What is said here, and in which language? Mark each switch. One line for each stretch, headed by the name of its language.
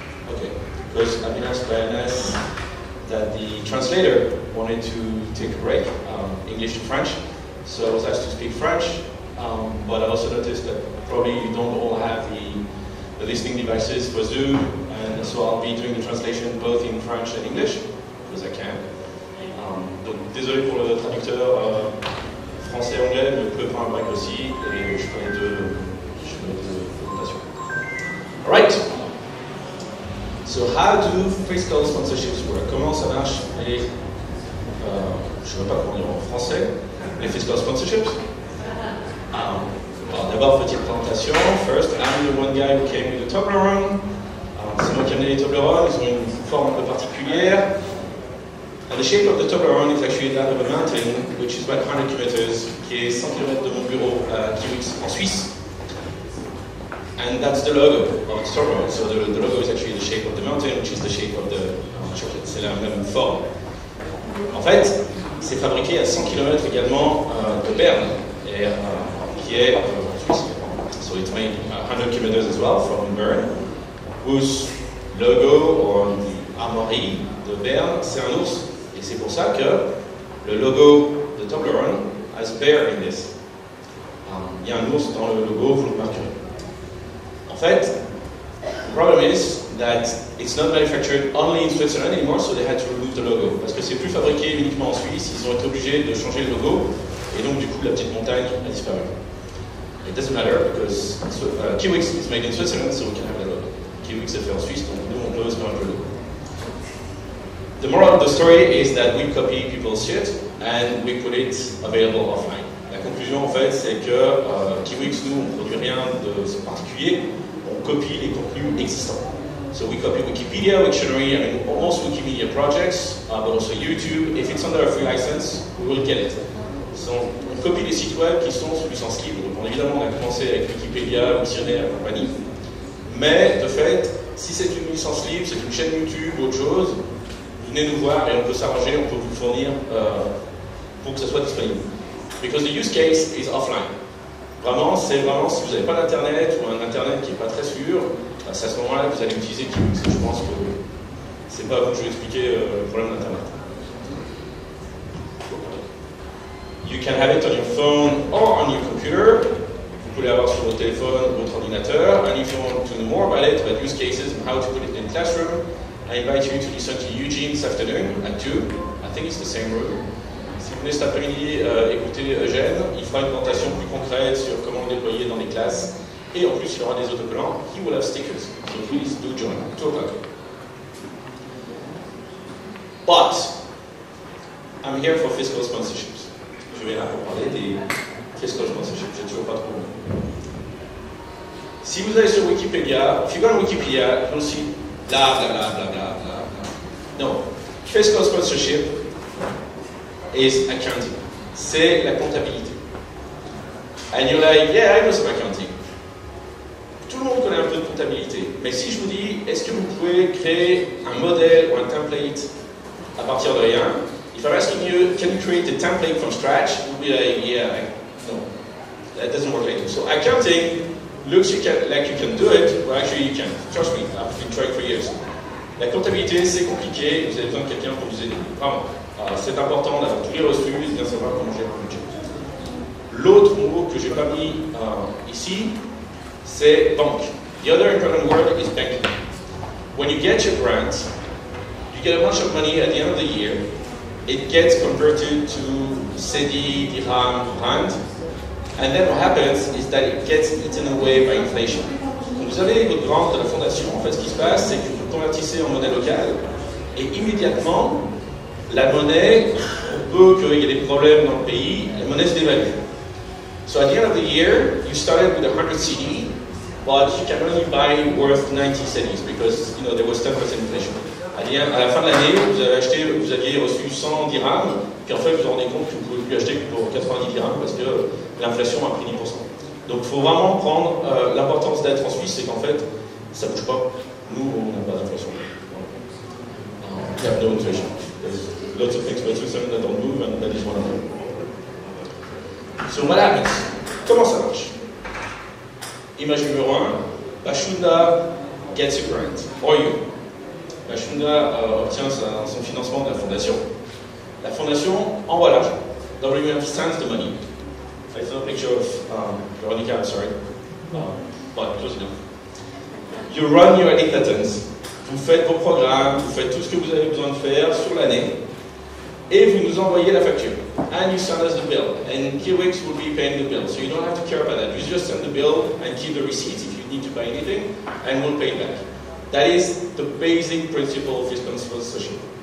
English: Okay, because I've been asked by Anas that the translator wanted to take a break, English to French, so I was asked to speak French, but I also noticed that probably you don't all have the listening devices for Zoom, and so I'll be doing the translation both in French and English, because I can.
French: Désolé pour le traducteur français-anglais, mais vous pouvez prendre un mic aussi, et je connais deux.
English: All right. So, how do fiscal sponsorships work?
French: Comment ça marche les, je ne sais pas comment dire en français, les fiscal sponsorships? Well, d'abord, petite présentation.
English: First, I'm the one guy who came with the Toblerone.
French: C'est moi qui ai amené les Toblerone. Ils ont une forme un peu particulière.
English: And the shape of the Toblerone is actually that of a mountain, which is about 100 kilometers,
French: qui est 100 kilometers de mon bureau à Kiwix, en Suisse.
English: And that's the logo of the Toblerone. So the logo is actually the shape of the mountain, which is the shape of the chocolate.
French: C'est la même forme. En fait, c'est fabriqué à 100 km également de Berne, et, qui est en Suisse.
English: So it's made 100 km as well from Berne, whose logo, or the armory
French: de Berne, c'est un ours. Et c'est pour ça que le logo de Toblerone
English: has bear in this.
French: Il y a un ours dans le logo, vous le marquerez.
English: In fact, the problem is that it's not manufactured only in Switzerland anymore, so they had to remove the logo.
French: Parce que c'est plus fabriqué uniquement en Suisse, ils ont été obligés de changer le logo, et donc du coup la petite montagne a disparu.
English: It doesn't matter, because Kiwix is made in Switzerland, so we can have the logo.
French: Kiwix est fait en Suisse, donc nous on peut aussi mettre le logo.
English: The moral of the story is that we copy people's shit, and we put it available offline.
French: La conclusion en fait, c'est que Kiwix, nous, on ne produit rien de particulier, on copie les contenus existants.
English: So we copy Wikipedia, Wiktionary, I mean, almost Wikimedia projects, but also YouTube. If it's under a free license, we will get it.
French: So on copie les sites web qui sont sous licence libre. Donc on, évidemment, on a commencé avec Wikipédia, Wiktionary et compagnie. Mais de fait, si c'est une licence libre, c'est une chaîne YouTube ou autre chose, venez nous voir et on peut s'arranger, on peut vous fournir pour que ça soit disponible.
English: Because the use case is offline.
French: Vraiment, c'est vraiment si vous n'avez pas d'internet ou un internet qui n'est pas très sûr, ben c'est à ce moment-là que vous allez utiliser Kiwix. Je pense que c'est pas à vous que je vais expliquer le problème d'internet.
English: You can have it on your phone or on your computer.
French: pouvez l'avoir sur votre téléphone ou votre ordinateur.
English: And if you want to know more about it, about use cases and how to put it in classroom, I invite you to listen to Eugene this afternoon at 2. I think it's the same room.
French: Si vous venez cet après-midi écouter Eugène, il fera une présentation plus concrète sur comment le déployer dans les classes. Et en plus, il y aura des autocollants.
English: He will have stickers. So please do join. 2 o'clock. But I'm here for fiscal sponsorships.
French: Je vais là pour parler des fiscal sponsorships. J'ai toujours pas trop. Si vous allez sur Wikipédia,
English: if you go on Wikipédia, you'll see blah, blah, blah, blah, blah, blah. No. Fiscal sponsorship is accounting.
French: C'est la comptabilité.
English: And you're like, yeah, I know some accounting.
French: Tout le monde connaît un peu de comptabilité. Mais si je vous dis, est-ce que vous pouvez créer un modèle ou un template à partir de rien?
English: If I'm asking you, can you create a template from scratch? You'll be like, yeah, no, that doesn't work like it. So accounting looks like you can do it, but actually you can't. Trust me, I've been trying for years.
French: La comptabilité, c'est compliqué, vous avez besoin de quelqu'un pour vous aider. Vraiment, c'est important d'avoir tous les reçus et de bien savoir comment gérer un budget. L'autre mot que je n'ai pas mis ici, c'est banque.
English: The other important word is banking. When you get your grant, you get a bunch of money at the end of the year, it gets converted to CEDI, dirham, rand, and then what happens is that it gets eaten away by inflation.
French: Quand vous avez votre grant de la fondation, en fait, ce qui se passe, c'est que vous convertissez en monnaie locale, et immédiatement, la monnaie, on peut qu'il y ait des problèmes dans le pays, la monnaie se dévalue.
English: So at the end of the year, you started with 100 CEDI, but you can only buy worth 90 CEDIs because, you know, there was 10% inflation.
French: À la fin de l'année, vous aviez reçu 100 dirhams, puis en fait, vous vous rendez compte que vous ne pouvez plus acheter que pour 90 dirhams parce que l'inflation a pris 10%. Donc, il faut vraiment prendre l'importance d'être en Suisse, c'est qu'en fait, ça ne bouge pas. Nous, on n'a pas d'inflation.
English: We have no inflation. There's lots of things, but it's something that don't move, and that is one of them. So, what happens?
French: Comment ça marche? Image numéro 1,
English: Bashunda gets a grant. Or you.
French: Bashunda obtient son financement de la fondation. La fondation envoie l'argent.
English: WM sends the money. I saw a picture of Veronica, I'm sorry. But close enough. You run your inheritance.
French: Vous faites vos programmes, vous faites tout ce que vous avez besoin de faire sur l'année. Et vous nous envoyez la facture.
English: And you send us the bill. And Kiwix will be paying the bill. So you don't have to care about that. You just send the bill and keep the receipts if you need to buy anything. And we'll pay it back. That is the basic principle of fiscal sponsorship.